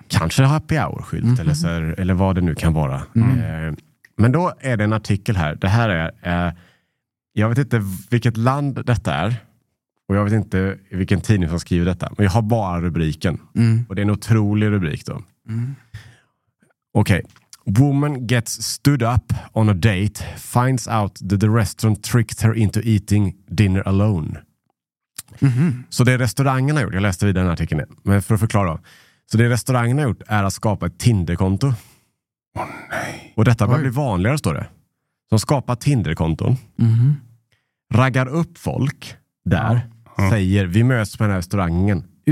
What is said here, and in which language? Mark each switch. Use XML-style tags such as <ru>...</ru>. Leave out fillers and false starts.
<sv>Kanske happy hour-skylt eller vad det nu kan vara. Mm. Men då är det en artikel här. Det här är... jag vet inte vilket land detta är. Och jag vet inte vilken tidning som skriver detta. Men jag har bara rubriken. Mm. Och det är en otrolig rubrik då. Mm.</sv> <en>Okej. Okay. Woman gets stood up on a date. Finds out that the restaurant tricked her into eating dinner alone. Mm-hmm.</en> <sv>Så det restaurangen har gjort. Jag läste vidare den artikeln. Men för att förklara. Så det restaurangen har gjort är att skapa ett Tinder-konto. Åh nej. Och detta börjar bli vanligare, står det. Som skapar Tinder-konton. Mm-hmm. Raggar upp folk där. Ja. Säger, vi möts på den här restaurangen.</sv>